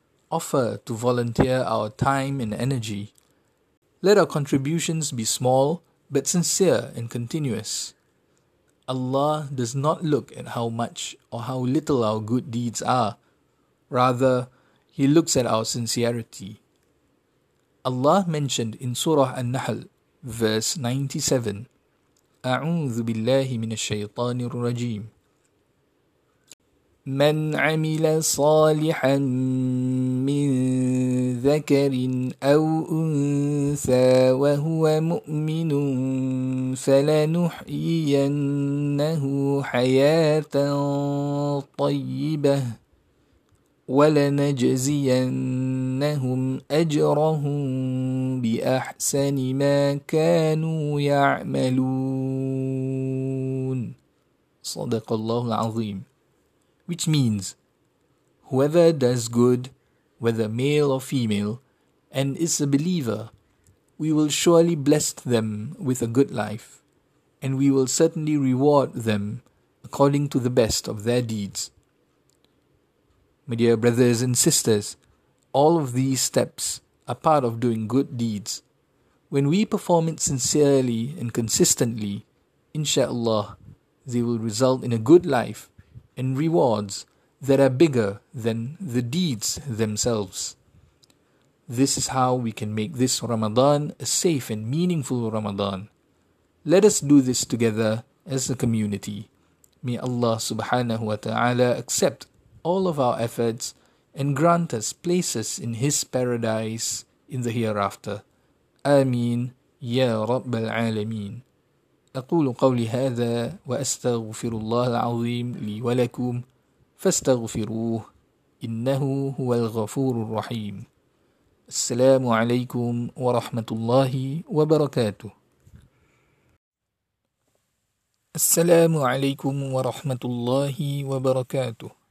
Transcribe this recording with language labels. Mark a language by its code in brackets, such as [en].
[en] Offer to volunteer our time and energy. Let our contributions be small but sincere and continuous. Allah does not look at how much or how little our good deeds are. Rather, He looks at our sincerity. Allah mentioned in Surah An-Nahl, verse 97, [ar] أعوذ بالله من الشيطان الرجيم من عمل صالحا من ذكر أو أنثى وهو مؤمن فلنحيينه حياة طيبة ولنجزينهم أجرهم بأحسن ما كانوا يعملون صدق الله العظيم. [en] Which means, whoever does good, whether male or female, and is a believer, we will surely bless them with a good life, and we will certainly reward them according to the best of their deeds. My dear brothers and sisters, all of these steps are part of doing good deeds. When we perform it sincerely and consistently, insha'Allah, they will result in a good life and rewards that are bigger than the deeds themselves. This is how we can make this Ramadan a safe and meaningful Ramadan. Let us do this together as a community. May Allah subhanahu wa ta'ala accept all of our efforts and grant us places in His paradise in the hereafter. Ameen Ya Rabbal Alameen. [ar] أقول قولي هذا وأستغفر الله العظيم لي ولكم فاستغفروه إنه هو الغفور الرحيم السلام عليكم ورحمة الله وبركاته السلام عليكم ورحمة الله وبركاته